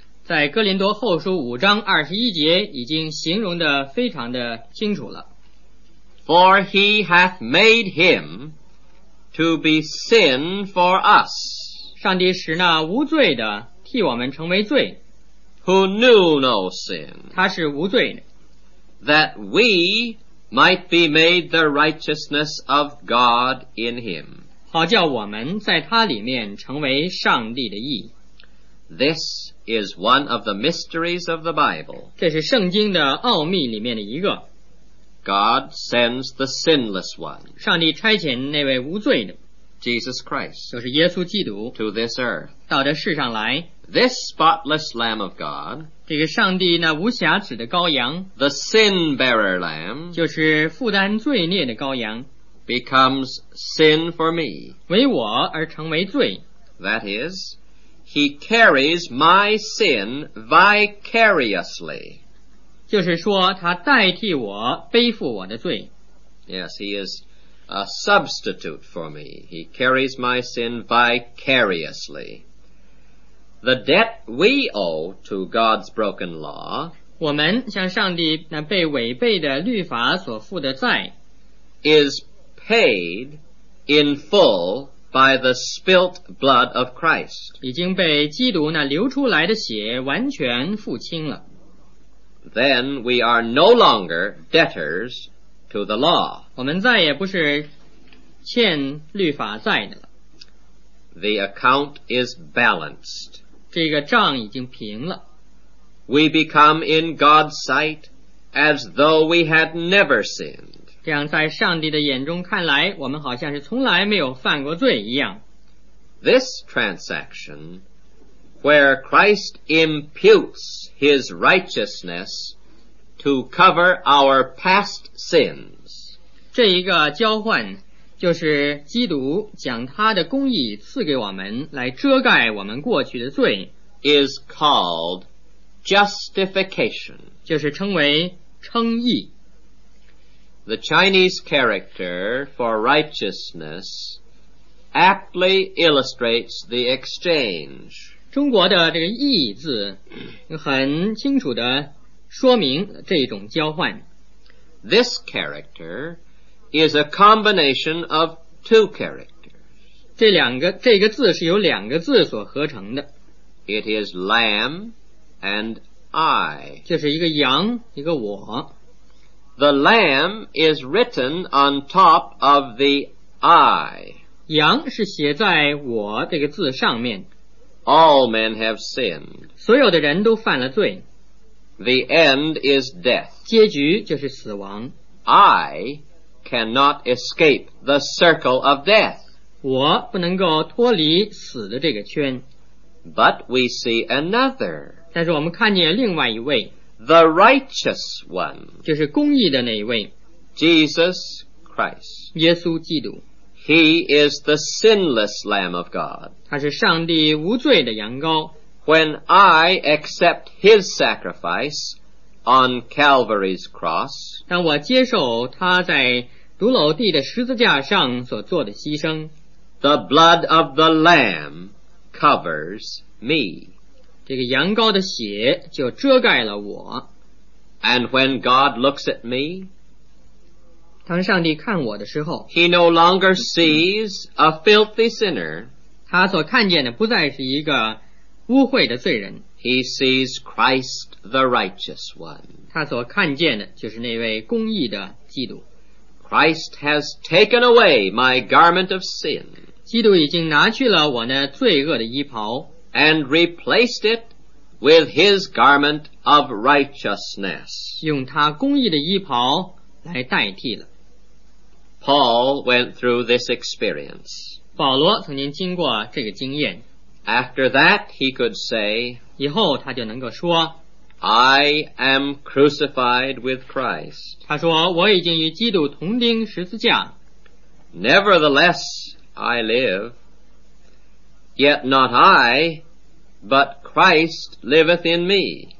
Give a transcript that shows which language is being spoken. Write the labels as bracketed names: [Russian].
[Chinese] 在哥林多后书5:21已经形容得非常的清楚了。 [English] For he hath made him to be sin for us. [Chinese] 上帝使那无罪的替我们成为罪。 [English] Who knew no sin. [Chinese] 他是无罪的。 [English] That we might be made the righteousness of God in him. [Chinese] 好叫我们在他里面成为上帝的义。 [English] This is one of the mysteries of the Bible. [Chinese] 这是圣经的奥秘里面的一个。 [English] God sends the sinless one [Chinese] 上帝差遣那位无罪的 [English] Jesus Christ [Chinese] 就是耶稣基督 [English] to this earth [Chinese] 到这世上来 [English] this spotless lamb of God [Chinese] 这个上帝那无瑕疵的羔羊 [English] the sin bearer lamb [Chinese] 就是负担罪孽的羔羊 [English] becomes sin for me [Chinese] 为我而成为罪 [English] that is he carries my sin vicariously [Chinese] 就是说他代替我背负我的罪 [English] Yes, he is a substitute for me He carries my sin vicariously The debt we owe to God's broken law [Chinese] 我们向上帝那被违背的律法所负的债 [English] is paid in full by the spilt blood of Christ [Chinese] 已经被基督那流出来的血完全付清了 [English] Then we are no longer debtors to the law. [Chinese] 我们再也不是欠律法债的了。 [English] The account is balanced. [Chinese] 这个账已经平了。 [English] We become in God's sight as though we had never sinned. [Chinese] 这样在上帝的眼中看来，我们好像是从来没有犯过罪一样。 [English] This transaction where Christ imputes his righteousness to cover our past sins [Chinese] 这一个交换就是基督将他的公义赐给我们来遮盖我们过去的罪 [English] is called justification [Chinese] 就是称为称义 [English] The Chinese character for righteousness aptly illustrates the exchange [Chinese] 中国的这个义字很清楚地说明这种交换 [English] This character is a combination of two characters [Chinese] 这个字是由两个字所合成的 [English] It is lamb and I [Chinese] 就是一个羊一个我 [English] The lamb is written on top of the I [Chinese] 羊是写在我这个字上面 [English] All men have sinned. [Chinese] 所有的人都犯了罪。 [English] The end is death. [Chinese] 结局就是死亡。 [English] I cannot escape the circle of death. [Chinese] 我不能够脱离死的这个圈。 [English] But we see another. [Chinese] 但是我们看见另外一位。 [English] The righteous one. [Chinese] 就是公义的那一位。 [English] Jesus Christ. [Chinese] 耶稣基督。 [English] He is the sinless Lamb of God. [Chinese] 他是上帝无罪的羊羔。 [English] When I accept his sacrifice on Calvary's cross, [Chinese] 当我接受他在独楼地的十字架上所做的牺牲， [English] the blood of the Lamb covers me. [Chinese] 这个羊羔的血就遮盖了我。 [English] And when God looks at me, [Chinese] 当上帝看我的时候， [English] he no longer sees a filthy sinner. [Chinese] 他所看见的不再是一个污秽的罪人。 [English] He sees Christ the righteous one. [Chinese] 他所看见的就是那位公义的基督。 [English] Christ has taken away my garment of sin. [Chinese] 基督已经拿去了我那罪恶的衣袍。 [English] And replaced it with his garment of righteousness. [Chinese] 用他公义的衣袍来代替了。 [English] Paul went through this experience. [Chinese] 保罗曾经经过这个经验。 [English] After that, he could say, [Chinese] 以后他就能够说, [English] I am crucified with Christ. [Chinese] 他说, 我已经与基督同钉十字架。 [English] Nevertheless, I live. Yet not I, but Christ liveth in me.